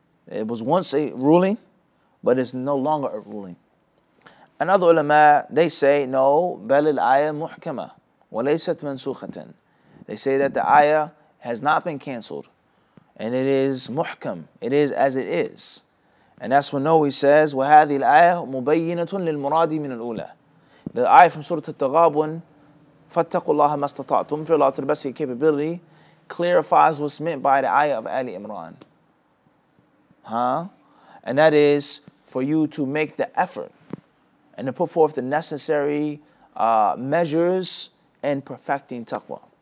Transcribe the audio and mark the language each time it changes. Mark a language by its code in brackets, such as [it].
[en] It was once a ruling, but it's no longer a ruling. And other ulama, they say, no, [ar] بَلِ الْآيَةَ مُحْكَمَةً وَلَيْسَتْ مَنْسُوخَةً. [en] They say that the ayah has not been canceled, and it is muhkam. It is as it is. And that's when Noah says, [ar] وَهَذِي الْآيَةُ مُبَيِّنَةٌ لِلْمُرَادِي مِنَ الْأُولَى. [en] The ayah from Surah At-Taghabun, [ar] فَاتَّقُوا اللَّهَ مَا اسْتَطَعْتُمْ فِي اللَّهَ تَرْبَسِي [en] capability, clarifies what's meant by the ayah of Ali Imran. Huh? And that is for you to make the effort and to put forth the necessary measures in perfecting taqwa.